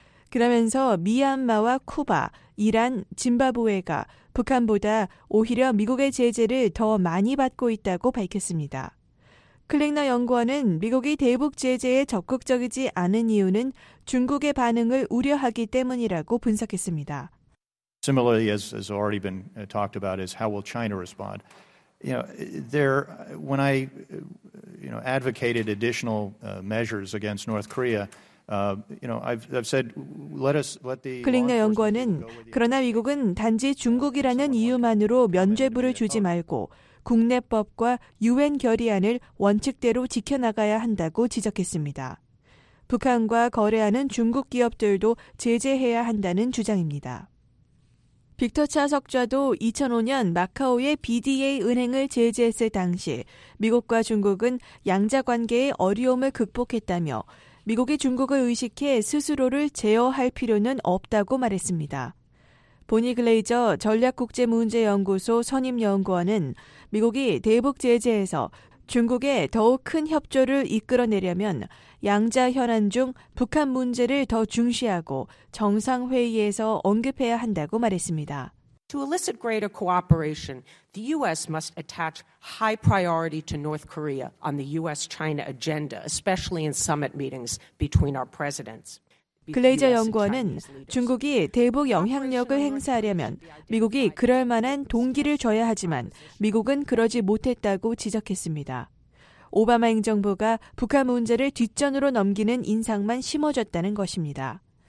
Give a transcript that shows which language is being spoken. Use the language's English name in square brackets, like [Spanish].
[Korean] 그러면서 미얀마와 쿠바, 이란, 짐바브웨가 북한보다 오히려 미국의 제재를 더 많이 받고 있다고 밝혔습니다. 클릭너 연구원은 미국이 대북 제재에 적극적이지 않은 이유는 중국의 반응을 우려하기 때문이라고 분석했습니다. [English] Similarly, as has already been talked about, is how will China respond? You know, there when I you know advocated additional measures against North Korea. I've said let the [Korean] 클릭너 연구원은 그러나 미국은 단지 중국이라는 이유만으로 면죄부를 주지 말고 국내법과 유엔 결의안을 원칙대로 지켜나가야 한다고 지적했습니다. 북한과 거래하는 중국 기업들도 제재해야 한다는 주장입니다. 빅터 차 석좌도 2005년 마카오의 BDA 은행을 제재했을 당시 미국과 중국은 양자 관계의 어려움을 극복했다며 미국이 중국을 의식해 스스로를 제어할 필요는 없다고 말했습니다. 보니 글레이저 전략국제문제연구소 선임연구원은 미국이 대북 제재에서 중국에 더욱 큰 협조를 이끌어내려면 양자 현안 중 북한 문제를 더 중시하고 정상회의에서 언급해야 한다고 말했습니다. [English] To elicit greater cooperation, the U.S. must attach high priority to North Korea on the U.S.-China agenda, especially in summit meetings between our presidents. [Korean] 글레이저 연구원은 중국이 대북 영향력을 행사하려면 미국이 그럴 만한 동기를 줘야 하지만 미국은 그러지 못했다고 지적했습니다. 오바마 행정부가 북한 문제를 뒷전으로 넘기는 인상만 심어줬다는 것입니다.